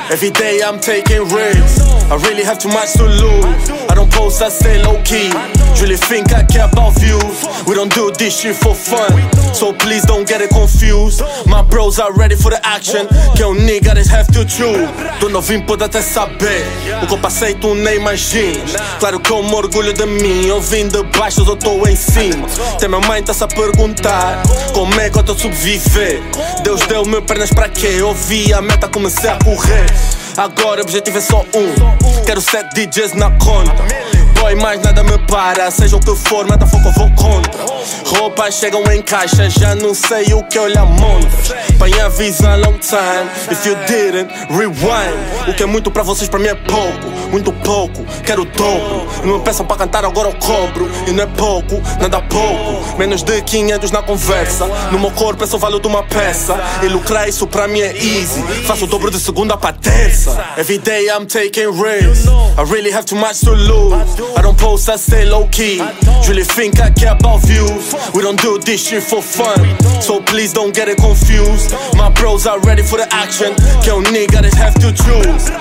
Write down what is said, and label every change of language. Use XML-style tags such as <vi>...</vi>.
<en>Every day I'm taking risks, I really have too much to lose. I don't post, I stay low key. You really think I care about views? We don't do this shit for fun, so please don't get it confused. My bros are ready for the action. Kill nigga, they have to choose.</en> <pt>Do novinho pode até saber o que eu passei, tu nem imaginas. Claro que eu me orgulho de mim. Eu vim de baixo, eu tô em cima. Até minha mãe tá-se a perguntar como é que eu tô a sobreviver. Deus deu-me pernas pra quê? Eu vi a meta, comecei a correr. Agora o objetivo é só um. Quero 7 DJs na conta. Boy, mais nada me para. Seja o que for, mata foco, vou contra. Roupas chegam em caixa, já não sei o que olhar montras. Pai, avisa</pt> <en>long time. If you didn't, rewind.</en> <pt>O que é muito pra vocês, pra mim é pouco. Muito pouco, quero o dobro. Não me peçam pra cantar, agora eu cobro. E não é pouco, nada pouco. Menos de 500 na conversa. No meu corpo é só o valor de uma peça. E lucrar isso pra mim é easy. Faço o dobro de segunda pra terça.</pt> <en>Every day I'm taking risks. I really have too much to lose. I don't post, I stay low key. You really think I care about views? We don't do this shit for fun, so please don't get it confused. My bros are ready for the action. Kill nigga, they have to choose.</en>